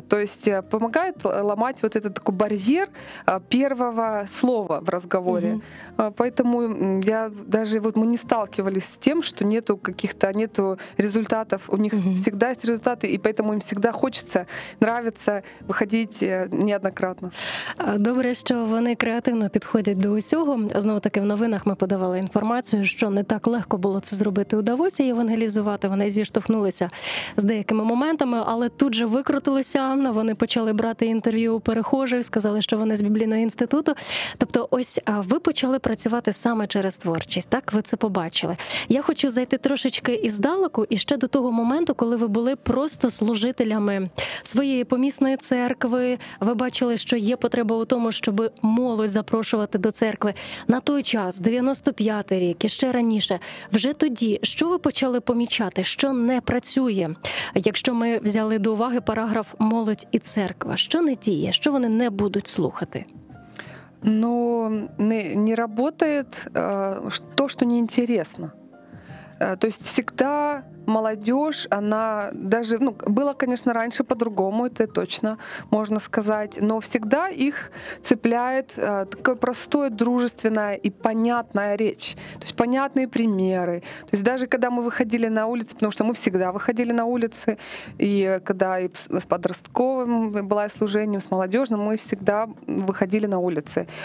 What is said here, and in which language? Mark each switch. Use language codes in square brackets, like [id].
[ru] То есть помогает ломать вот этот такой барьер первого слова в разговоре. Mm-hmm. Поэтому я даже, вот мы не сталкивались с тем, что нету каких-то, нету результатов. У них всегда есть результаты, и поэтому им всегда хочется, нравится выходить неоднократно. [uk] Добре, що вони креативно підходять до усього. Знову-таки, в новинах ми подавали інформацію, що не так легко було це зробити у Давосі і евангелізувати. Вони зіштовхнулися з деякими моментами, але тут же викрутилися, вони почали брати інтерв'ю у перехожих, сказали, що вони з Біблійного інституту. Тобто, ось, ви почали працювати саме через творчість, так? Ви це побачили. Я хочу зайти трошечки іздалеку і ще до того моменту, коли ви були просто служителями своєї помісної церкви, ви бачили, що є потреба у тому, щоб молодь запрошувати до церкви. На той час, 95-й рік і ще раніше, вже тоді, що ви почали помічати, що не працює, якщо ми взяли до уваги параграф «Молодь і церква», що не діє, що вони не будуть слухати? Ну, не працює те, що не цікаво. Тобто, завжди [ru] молодежь, она даже, ну, было, конечно, раньше по-другому, это точно можно сказать, но всегда их цепляет такая простая, дружественная и понятная речь, то есть понятные примеры. То есть даже когда мы выходили на улицы, потому что мы всегда выходили на улицы, и когда и с подростковым была, и служением с молодежным, мы всегда выходили на улицы.